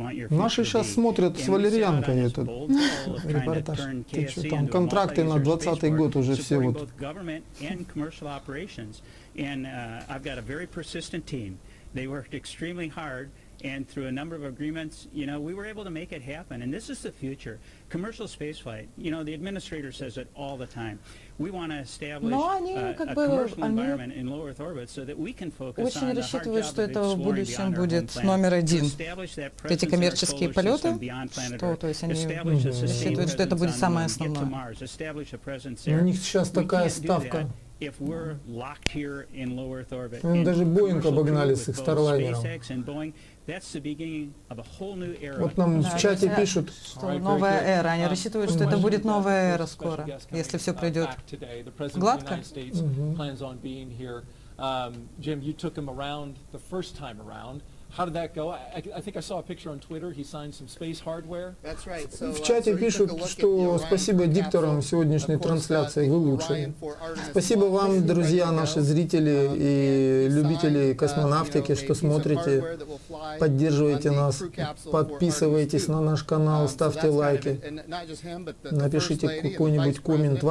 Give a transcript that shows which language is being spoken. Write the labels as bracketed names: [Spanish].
[Russian] Наши сейчас смотрят с валерьянкой этот репортаж. Ты что, там контракты на 20-й год уже все вот. [English] And through a number of agreements, you know, we were able to make it happen. And this is the future. Commercial spaceflight, you know, the administrator says it all the time. We want to establish a commercial environment in low Earth orbit so that we can focus on the hard job of exploring beyond our home planet. Establish that presence in our solar system beyond planet Earth. Establish a sustained presence on the moon and get to Mars. Establish a presence there. We can't do that. If we're locked here in low Earth orbit, and [Russian] даже Boeing обогнали с их Starliner. Вот нам в чате пишут, что новая эра. Они рассчитывают, что это будет новая эра скоро, если все пройдет гладко. [English] Plans on being here. Jim, you took him around the first time around. How did that go? I think I saw a picture on Twitter. He signed some space hardware. That's right. So, [Russian] в чате пишут, что спасибо дикторам сегодняшней трансляции, вы лучшие. Спасибо вам, друзья, наши зрители и любители космонавтики, что смотрите, поддерживаете нас, подписывайтесь на наш канал, ставьте лайки, напишите какой-нибудь коммент.